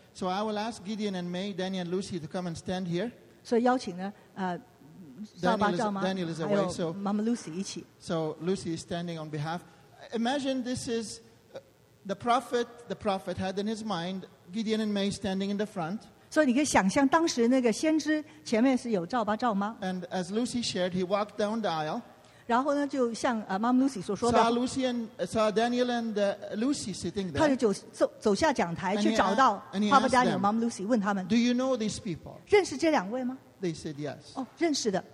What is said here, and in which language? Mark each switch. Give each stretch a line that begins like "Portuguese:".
English: So I will ask Gideon and May, Danny and Lucy, to come and stand here.
Chinese: 所以邀请呢,
English: Daniel is away, so
Chinese: Mama Lucy一起.
English: So Lucy is standing on behalf. Imagine this is the prophet had in his mind Gideon and May standing in the front.
Chinese: 所以你可以想象当时那个先知前面是有赵爸赵妈.
English: And as Lucy shared, he walked down the aisle.
Chinese: 然后呢,就像, Mama Lucy 所说的,
English: saw Daniel and Lucy sitting there.
Chinese: 他就走下讲台去找到
English: and he asked them,
Chinese: Mama Lucy, 问他们,
English: do you know these people?
Chinese: 认识这两位吗?
English: They said yes.
Chinese: 认识的.